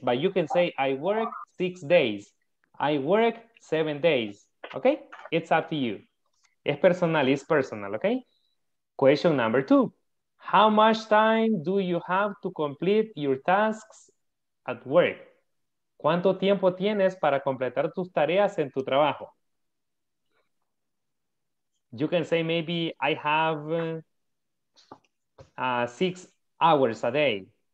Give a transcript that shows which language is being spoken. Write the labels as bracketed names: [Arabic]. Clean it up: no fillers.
[English] But you can say I work 6 days. I work 7 days, okay? It's up to you. [Spanish] Es personal, [English] it's personal, okay? Question number two. How much time do you have to complete your tasks at work? [Spanish] ¿Cuánto tiempo tienes para completar tus tareas en tu trabajo? [English] You can say maybe I have 6 hours a day.